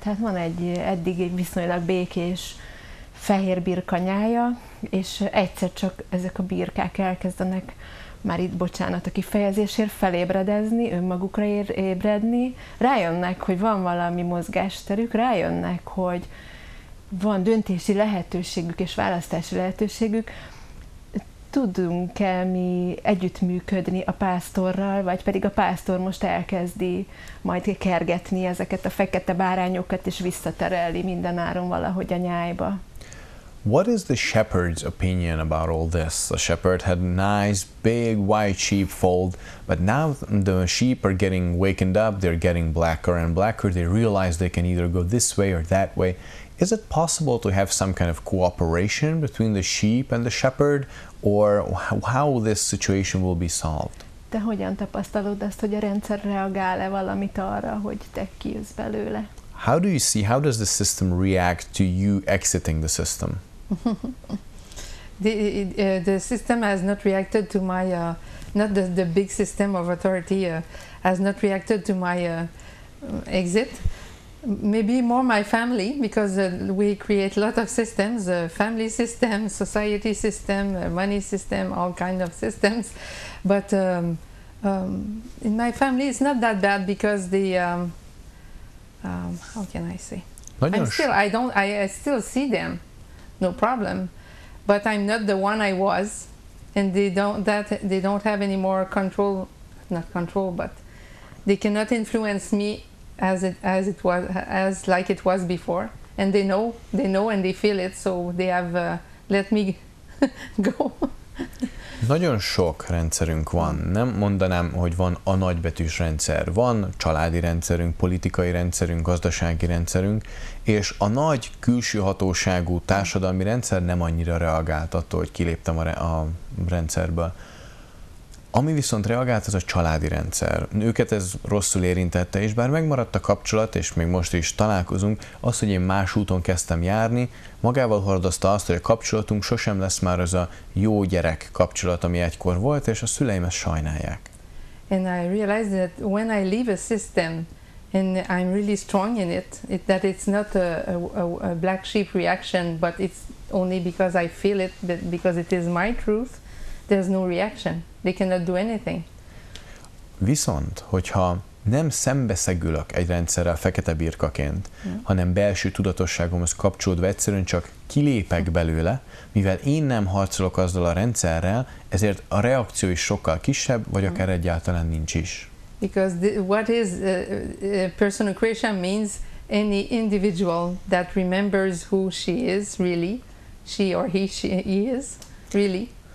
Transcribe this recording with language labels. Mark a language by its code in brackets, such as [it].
[hu] Tehát van egy eddig viszonylag békés fehér birka nyája, és egyszer csak ezek a birkák elkezdenek, már itt bocsánat a kifejezésért, felébredezni, önmagukra ébredni, rájönnek, hogy van valami mozgásterük, rájönnek, hogy van döntési lehetőségük és választási lehetőségük. Tudunk-e mi együttműködni a pásztorral, vagy pedig a pásztor most elkezdi majd kergetni ezeket a fekete bárányokat és visszaterelni mindenáron valahogy a nyájba? [en] What is the shepherd's opinion about all this? The shepherd had a nice big white sheep fold, but now the sheep are getting wakened up, they're getting blacker and blacker, they realize they can either go this way or that way. Is it possible to have some kind of cooperation between the sheep and the shepherd, or how this situation will be solved? [hu] Te hogyan tapasztalod azt, hogy a rendszer reagál-e valamit arra, hogy te kijössz belőle? [en] How do you see, how does the system react to you exiting the system? The system has not reacted to my, not the, the big system of authority has not reacted to my exit. Maybe more my family, because we create a lot of systems, family system, society system, money system, all kind of systems. But in my family it's not that bad because the... how can I say? I still see them, no problem. But I'm not the one I was, and they don't have any more control, not control, but they cannot influence me as it was before. And they know, and they feel it, so they have let me go. [hu] Nagyon sok rendszerünk van. Nem mondanám, hogy van a nagybetűs rendszer. Van családi rendszerünk, politikai rendszerünk, gazdasági rendszerünk, és a nagy külső hatóságú társadalmi rendszer nem annyira reagált attól, hogy kiléptem a rendszerből. Ami viszont reagált, az a családi rendszer. Őket ez rosszul érintette, és bár megmaradt a kapcsolat, és még most is találkozunk, az, hogy én más úton kezdtem járni, magával hordozta azt, hogy a kapcsolatunk sosem lesz már az a jó gyerek kapcsolat, ami egykor volt, és a szüleim ezt sajnálják. [en] And I realized that when I leave a system, and I'm really strong in it, that it's not a black sheep reaction, but it's only because I feel it, because it is my truth, there's no reaction. They cannot do anything. [hu] Viszont, hogyha nem szembeszegülök egy rendszerrel fekete birkaként, hanem belső tudatosságomhoz kapcsolódva egyszerűen csak kilépek belőle, mivel én nem harcolok azzal a rendszerrel, ezért a reakció is sokkal kisebb, vagy akár egyáltalán nincs is. [en] Because what is personocratia means any individual that remembers who she is really, she or he is really.